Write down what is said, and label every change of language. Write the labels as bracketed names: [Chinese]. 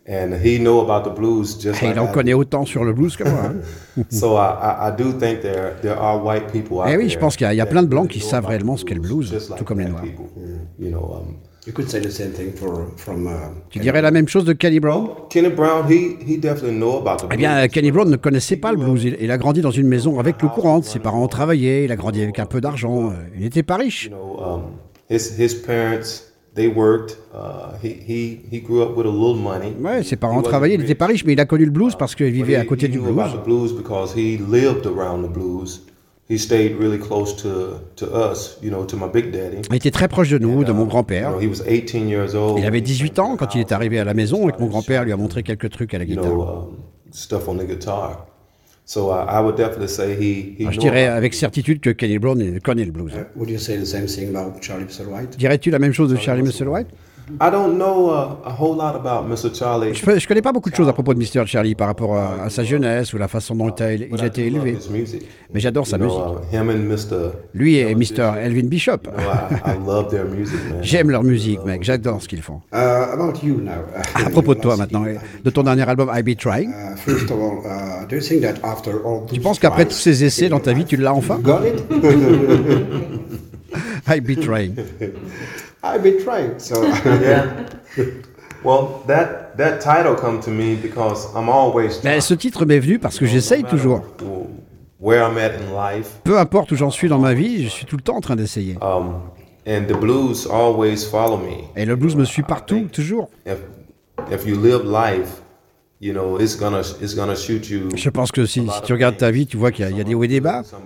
[English] And he knew about the blues just [French] et [English] like [French] il en [English] I [French] connaît [English] did. [French] Autant sur le blues que moi. Et oui, je pense qu'il y a plein de blancs qui savent réellement ce qu'est le blues, tout comme les noirs. [English] You could say the same thing from [French] tu dirais la même chose de Kenny Brown. [English] Kenny Brown, he definitely knew about the blues. [French] Eh bien, Kenny Brown ne connaissait pas le blues. Il a grandi dans une maison avec l'eau courante. Ses parents travaillaient. Il a grandi avec un peu d'argent. Il n'était pas riche. [English] His parents, they worked. He grew up with a little money. [French] Ouais, ses parents travaillaient. Il n'était pas riche, mais il a connu le blues parce qu'il vivait à côté du blues. [English] He knew about the blues because he lived around the blues. He stayed really close to us, you know, to my big daddy. [French] Il était très proche de nous, de mon grand-père. [English] You know, he was 18 years old. [French] Il avait 18 ans quand il est arrivé à la maison et que mon grand-père lui a montré quelques trucs à la guitare. [English] You know, stuff on the guitar. So I would definitely say he [French] je dirais avec certitude que Kenny Brown connaît le blues. [English] Would you say the same thing about Charlie Musselwhite? [French] Dirais-tu la même chose de Charlie Musselwhite? [English] I don't know a whole lot about Mr. Charlie. [French] Je connais pas beaucoup de choses à propos de Mr. Charlie par rapport à sa jeunesse ou la façon dont il a été élevé. Mais j'adore sa musique. [English] Him and Mr. [French] Lui et Mr. Elvin Bishop. [English] I love their music, man. [French] J'aime leur musique, mec. J'adore ce qu'ils font. [English] About you now. [French] À propos de toi maintenant, de ton dernier album, I Be Trying. [English] First of all, do you think that after all [French] tu penses qu'après tous ces essais dans ta vie, tu l'as enfin? [English] Got it? I Be Trying. I've been trying, so yeah. Well, that title come to me because I'm always trying. [French] Ce titre m'est venu parce que j'essaye toujours. [English] Where I'm at in life. [French] Peu importe où j'en suis dans ma vie, je suis tout le temps en train d'essayer. [English] And the blues always follow me. [French] Et le blues me suit partout, toujours. [English] If you live life, you know it's gonna shoot you. [French] Je pense que si tu regardes ta vie, tu vois qu'il y a des hauts et des bas.